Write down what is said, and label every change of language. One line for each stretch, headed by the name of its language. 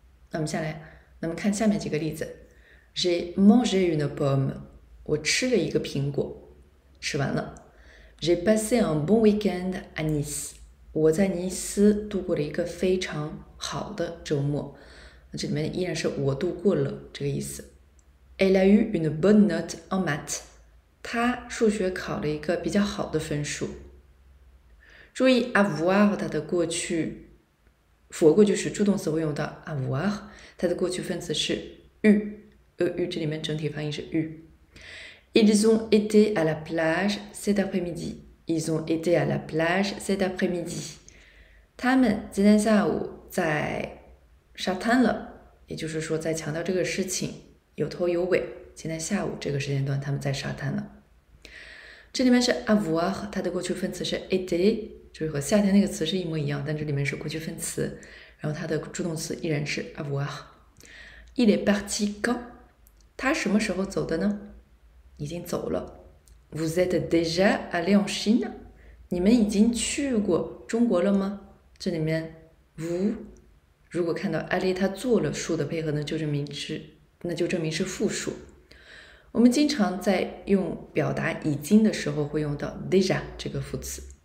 Chinese: 那么下来。那么看下面几个例子，
French: J'ai mangé une pomme，
Chinese: 我吃了一个苹果，吃完了。
French: J'ai passé un bon week-end à Nice，
Chinese: 我在尼斯度过了一个非常好的周末。那这里面依然是我度过了这个意思。
French: Elle a eu une bonne note en maths，
Chinese: 她数学考了一个比较好的分数。注意 avoir 它的过去。否过去时，助动词会用到 avoir，它的过去分词是 eu，这里面整体发音是 eu。
French: Ils ont été à la plage cet après-midi. Ils ont été à la plage cet après-midi.
Chinese: 他们今天下午在沙滩了，也就是说，在强调这个事情有头有尾。今天下午这个时间段，他们在沙滩了。这里面是 avoir，它的过去分词是 été。就是和夏天那个词是一模一样，但这里面是过去分词，然后它的助动词依然是 avoir。
French: Il est parti quand？
Chinese: 他什么时候走的呢？已经走了。
French: Vous êtes déjà allé en Chine？
Chinese: 你们已经去过中国了吗？这里面 vous 如果看到 allé 它做了数的配合呢，那就证明是复数。我们经常在用表达已经的时候会用到 déjà 这个副词。